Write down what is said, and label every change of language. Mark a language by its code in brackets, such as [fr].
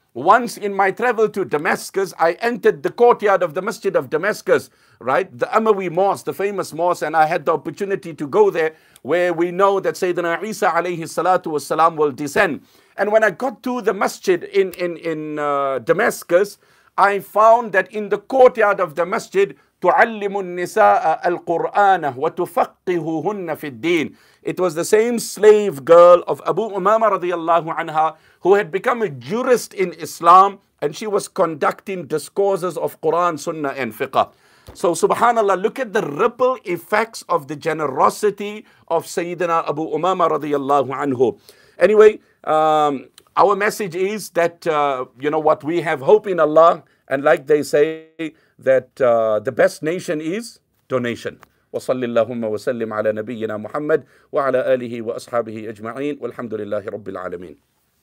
[en] Once in my travel to Damascus, I entered the courtyard of the Masjid of Damascus, right? The Amawi Mosque, the famous mosque, and I had the opportunity to go there, where we know that Sayyidina Isa alayhi salatu wasalam will descend. And when I got to the masjid in Damascus, I found that in the courtyard of the masjid, [ar] تعلم النساء القرآن وتفقههن في الدين. [en] It was the same slave girl of Abu Umama [ar] رضي الله عنها [en] who had become a jurist in Islam, and she was conducting discourses of Quran, Sunnah and Fiqh. So subhanAllah, look at the ripple effects of the generosity of Sayyidina Abu Umama [ar] رضي الله عنه. [en] Anyway, our message is that, you know what, we have hope in Allah, and like they say, that the best nation is donation. [ar] وصلي اللهم وسلم على نبينا محمد وعلى آله وأصحابه أجمعين والحمد لله رب العالمين.